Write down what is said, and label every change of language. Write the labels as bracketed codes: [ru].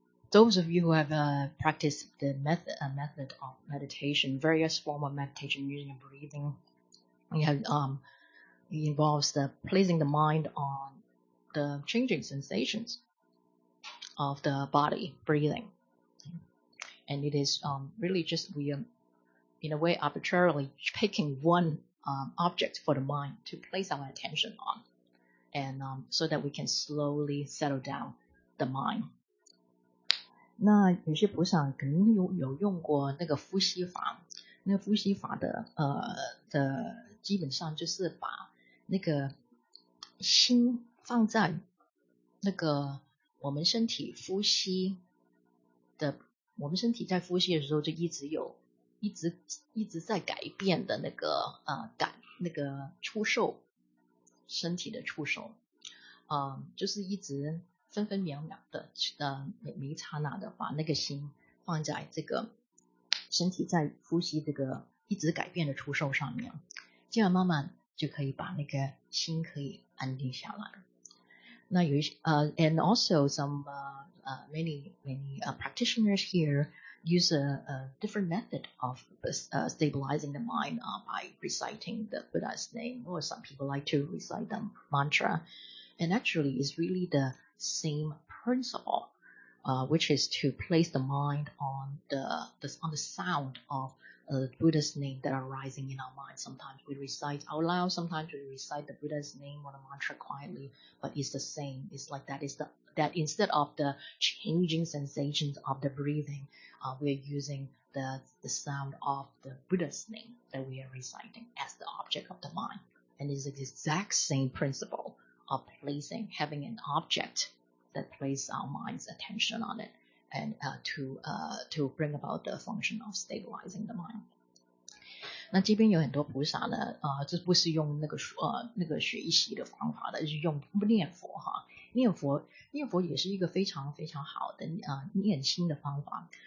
[en] Those of you who have practiced the method of meditation, various form of meditation using your breathing, it involves the placing the mind on the changing sensations of the body breathing. And it is really just we are in a way arbitrarily picking one object for the mind to place our attention on, and so that we can slowly settle down the mind. [zh] 那有些菩萨可能有用过那个呼吸法，那个呼吸法的基本上就是把那个心放在那个我们身体在呼吸的时候就一直在改变的那个那个触受，身体的触受，就是一直分分秒秒的每一刹那的把那个心放在这个身体在呼吸这个一直改变的触受上面，这样慢慢就可以把那个心可以安定下来。那有 [en] and also many practitioners here use a different method of stabilizing the mind by reciting the Buddha's name, or some people like to recite the mantra, and actually it's really thesame principle, which is to place the mind on the sound of Buddha's name that are rising in our mind. Sometimes we recite out loud, sometimes we recite the Buddha's name or the mantra quietly, but it's the same. It's like that is that instead of the changing sensations of the breathing, we're using the sound of the Buddha's name that we are reciting as the object of the mind. And it's the exact same principle. Of placing, having an object that places our mind's attention on it, and to bring about the function of stabilizing the mind. [zh] 那这边有很多菩萨呢，这不是用那个学习的方法的，是用念佛哈。念佛也是一个非常非常好的念心的方法。